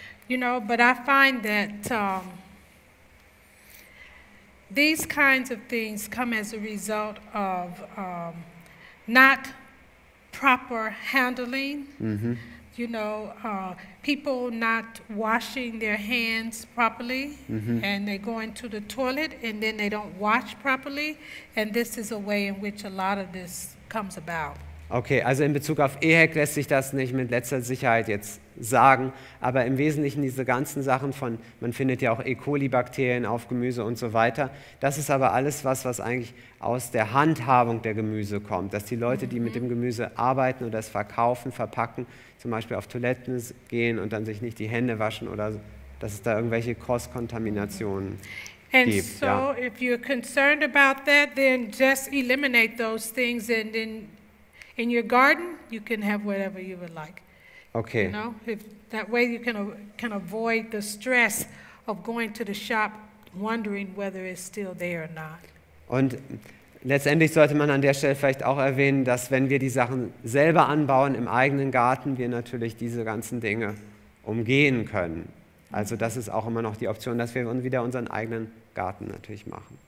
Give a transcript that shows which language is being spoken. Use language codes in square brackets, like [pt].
[en] You know, but I find that these kinds of things come as a result of not proper handling. Mm-hmm. You know, people not washing their hands properly, mm-hmm. and they go into the toilet and then they don't wash properly. And this is a way in which a lot of this comes about. [de] Okay, also in Bezug auf EHEC lässt sich das nicht mit letzter Sicherheit jetzt sagen, aber im Wesentlichen diese ganzen Sachen von, man findet ja auch E. coli-Bakterien auf Gemüse und so weiter, das ist aber alles was eigentlich aus der Handhabung der Gemüse kommt, dass die Leute, die mit dem Gemüse arbeiten oder es verkaufen, verpacken, zum Beispiel auf Toiletten gehen und dann sich nicht die Hände waschen oder dass es da irgendwelche Cross-Kontaminationen gibt. [en] And so, if you're concerned about that, then just eliminate those things and then in your garden, you can have whatever you would like. Okay. You know, if that way you can avoid the stress of going to the shop, wondering whether it's still there or not. [de] Und letztendlich sollte man an der Stelle vielleicht auch erwähnen, dass wenn wir die Sachen selber anbauen im eigenen Garten, wir natürlich diese ganzen Dinge umgehen können. Also das ist auch immer noch die Option, dass wir wieder unseren eigenen Garten natürlich machen.